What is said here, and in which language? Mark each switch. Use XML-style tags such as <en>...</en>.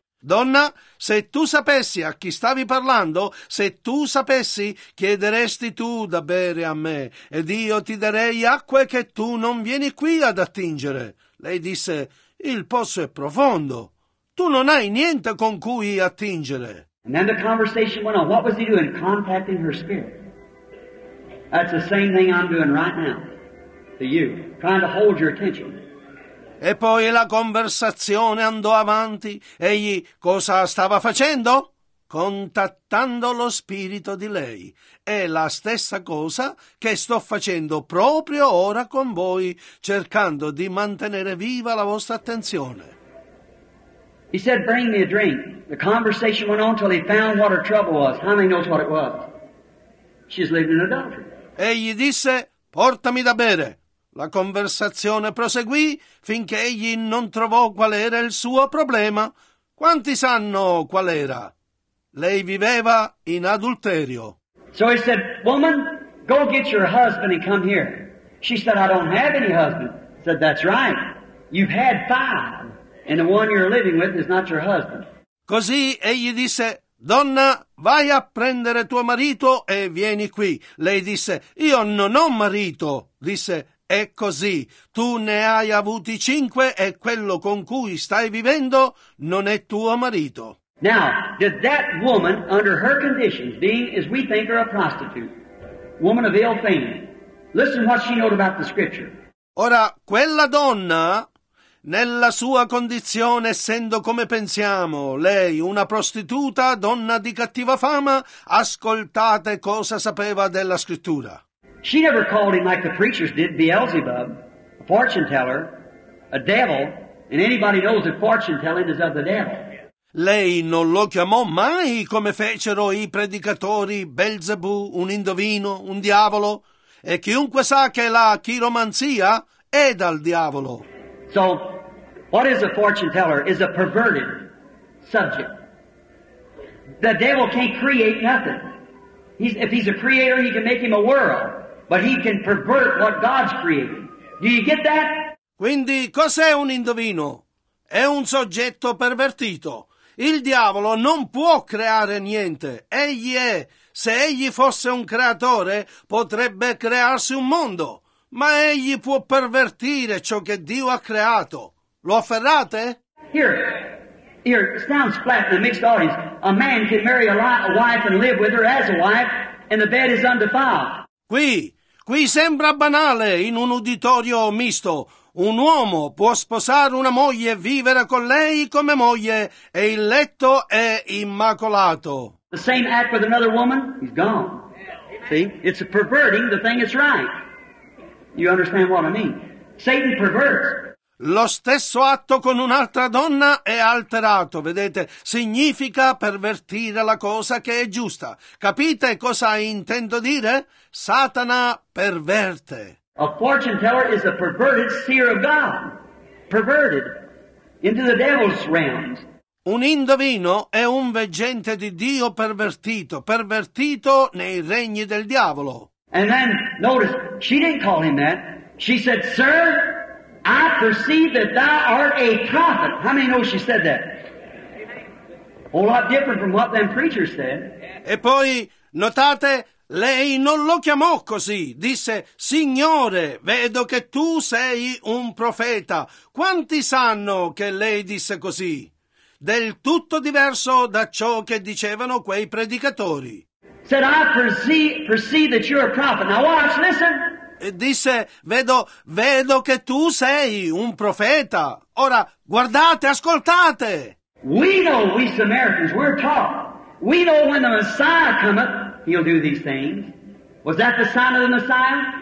<it>Donna, se tu sapessi a chi stavi parlando, se tu sapessi, chiederesti tu da bere a me, ed io ti darei acque che tu non vieni qui ad attingere. Lei disse, il pozzo è profondo, tu non hai niente con cui attingere.</it> <en>And then the conversation went on. What was he doing? Contacting her spirit. That's the same thing I'm doing right now to you, trying to hold your attention.</en> <it>E poi la conversazione andò avanti. Egli cosa stava facendo? Contattando lo spirito di lei. È la stessa cosa che sto facendo proprio ora con voi, cercando di mantenere viva la vostra attenzione.</it> <en>He said, bring me a drink. The conversation went on till he found what her trouble was. How many knows what it was? She's living in adultery.</en> <it>Egli disse, portami da bere. La conversazione proseguì finché egli non trovò qual era il suo problema. Quanti sanno qual era? Lei viveva in adulterio.</it> <en>So he said, woman, go get your husband and come here. She said, I don't have any husband. He said, that's right. You've had five, and the one you're living with is not your husband.</en> <it>Così egli disse, donna, vai a prendere tuo marito e vieni qui. Lei disse, io non ho marito. Disse, è così, tu ne hai avuti cinque e quello con cui stai vivendo non è tuo marito.</it> <en>Now, did that woman, under her conditions, being as we think her a prostitute, woman of ill fame, listen what she knows about the scripture.</en> <it>Ora, quella donna, nella sua condizione, essendo come pensiamo, lei una prostituta, donna di cattiva fama, ascoltate cosa sapeva della scrittura.</it> <en>She never called him like the preachers did, Beelzebub, a fortune teller, a devil, and anybody knows that fortune telling is of the devil.</en> <it>Lei non lo chiamò mai come fecero i predicatori, Beelzebù, un indovino, un diavolo, e chiunque sa che la chiromanzia è dal diavolo.</it> <en>So, what is a fortune teller? Is a perverted subject. The devil can't create nothing. If he's a creator, he can make him a world. But he can pervert what God's created. Do you get that?</en> <it>Quindi cos'è un indovino? È un soggetto pervertito. Il diavolo non può creare niente. Egli è. Se egli fosse un creatore, potrebbe crearsi un mondo. Ma egli può pervertire ciò che Dio ha creato. Lo afferrate?</it> <en>Here, it sounds flat in the mixed audience. A man can marry a wife and live with her as a wife, and the bed is undefiled.</en> <it>Qui sembra banale in un uditorio misto. Un uomo può sposare una moglie e vivere con lei come moglie e il letto è immacolato.</it> <en>The same act with another woman, he's gone. See, it's a perverting the thing that's right. You understand what I mean? Satan perverts.</en> <it>Lo stesso atto con un'altra donna è alterato, vedete? Significa pervertire la cosa che è giusta. Capite cosa intendo dire? Satana perverte.</it> <en>A fortune teller is a perverted seer of God. Perverted into the devil's realms.</en> <it>Un indovino è un veggente di Dio pervertito, pervertito nei regni del diavolo.</it> <en>And then, notice, she didn't call him that. She said, sir, I perceive that thou art a prophet. How many know she said that? A whole lot different from what them preachers said.</en> <it>E poi, notate, lei non lo chiamò così. Disse, Signore, vedo che tu sei un profeta. Quanti sanno che lei disse così? Del tutto diverso da ciò che dicevano quei predicatori.</it> <en>Said, I perceive that you're a prophet. Now watch, listen.</en> <it>E disse, vedo che tu sei un profeta. Ora, guardate, ascoltate.</it> <en>We know, we Samaritans, we're taught. We know when the Messiah cometh, he'll do these things. Was that the sign of the Messiah?</en>